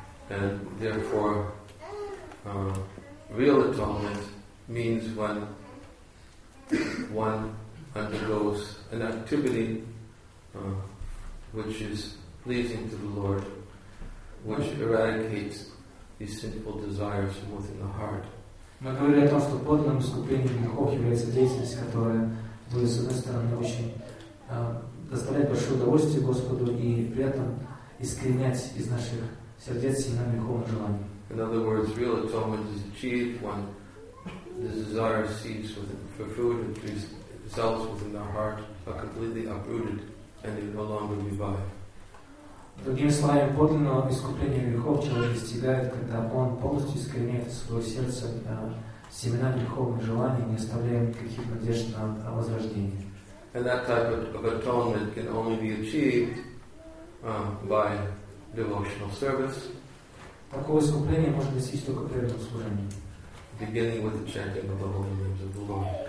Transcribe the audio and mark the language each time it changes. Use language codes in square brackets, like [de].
[en] And therefore, real atonement means when one undergoes an activity which is pleasing to the Lord, which eradicates these sinful desires from within the heart. [ru] Мы говорили о том, что подлинным искуплением грехов является деятельность, которая будет, с одной стороны, очень доставлять большое удовольствие Господу и при этом искоренять из наших сердец сильное греховное желание. [en] In other words, real atonement is achieved when the desire seeks for fruit and peace. Selves within the heart are completely uprooted and they no longer revive. [ru] Другими словами, подлинного искупления грехов человек достигает, когда он полностью искореняет из своего сердца семена греховных желаний, не оставляя никаких надежд на возрождение. [en] And that type of atonement can only be achieved by devotional service. [ru] Такого искупления можно достичь только преданным служением. [en] Beginning with the chanting of the holy names of the Lord.